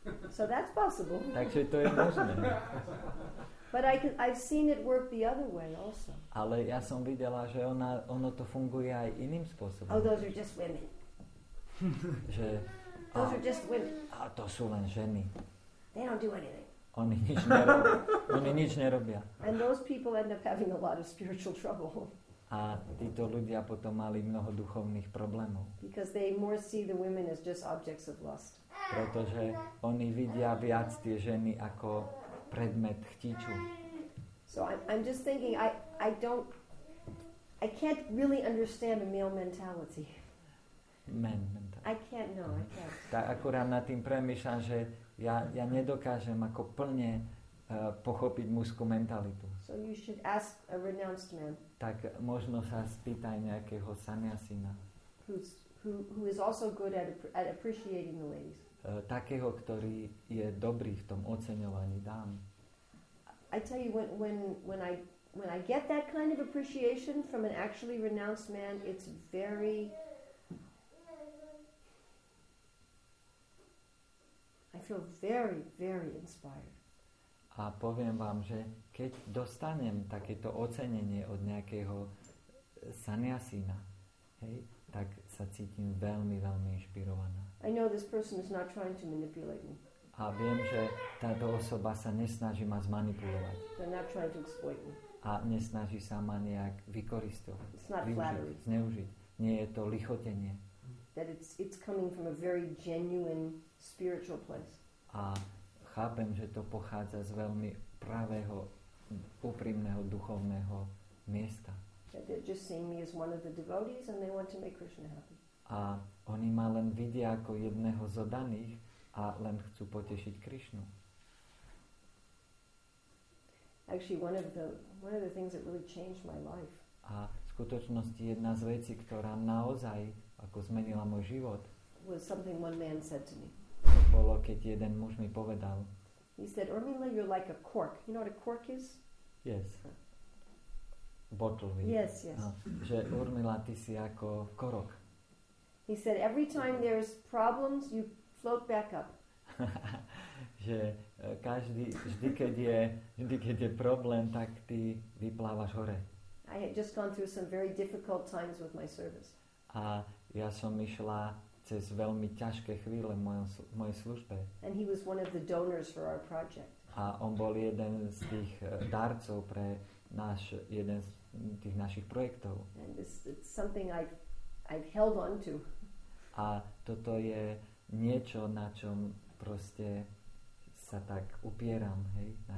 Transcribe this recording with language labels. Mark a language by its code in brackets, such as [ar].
[en] So that's possible. [sk] Takže to je možné. [en] But I've seen it work the other way also. [sk] Ale ja som videla, že ono to funguje aj iným spôsobom. [en] Oh, those are just women. [sk] Že, [en] those are just women. [sk] A to sú len ženy. [en] They don't do anything. [sk] Oni nič nerobia. [en] And those people end up having a lot of spiritual trouble. [sk] A títo ľudia potom mali mnoho duchovných problémov. [en] Because they more see the women as just objects of lust. [sk] Pretože oni vidia viac tie ženy ako predmet chtíču. [en] So I'm just thinking I can't really understand a male mentality. Men mentality. I can't know. [sk] Tak akurát nad tým premýšľam, že ja nedokážem ako plne pochopiť mužskú mentalitu. [en] So you should ask a renounced man. [sk] Tak možno sa spýtaj nejakého sanyasina. [en] Who is also good at appreciating the ladies. [sk] Takého, ktorý je dobrý v tom oceňovaní dám. [en] I tell you when I get that kind of appreciation from an actually renounced man, it's very, I feel very, very inspired. [sk] A poviem vám, že keď dostanem takéto ocenenie od nejakého sanyasina, hej, tak sa cítim veľmi, veľmi inšpirovaná. [en] I know this person is not trying to manipulate me. [sk] A viem, že táto osoba sa nesnaží ma zmanipulovať. [en] They're not trying to exploit me. [sk] A nesnaží sa ma nejak vykoristovať. [en] It's not flattery. [sk] Zneužiť. Nie je to lichotenie. [en] That it's coming from a very genuine spiritual place. [sk] A chápem, že to pochádza z veľmi pravého, úprimného duchovného miesta. [en] They're just seeing me as one of the devotees and they want to make Krishna happy. [sk] A oni ma len vidia ako jedného z oddaných a len chcú potešiť Krišnu. [en] Actually, one of the things that really changed my life. [sk] A v skutočnosti jedna z vecí, ktorá naozaj ako zmenila môj život, [en] was something one man said to me. [sk] Bolo, keď jeden muž mi povedal. [en] He said, "Ormila, you're like a cork. You know what a cork is?" Yes. Bottle. Yes, yes. No, [sk] že Ormila, ty si ako korok. [en] He said, "Every time there's problems, you float back up." [sk] Že každý, vždy, keď je problém, tak ty vyplávaš hore. [en] I had just gone through some very difficult times with my service. [sk] A ja som išla cez veľmi ťažké chvíle mojej službe. [en] And he was one of the donors for our project. [sk] A on bol jeden z tých darcov pre náš, jeden z tých našich projektov. [en] And it's something I've held on to. [sk] A toto je niečo, na čom proste sa tak upieram, hej?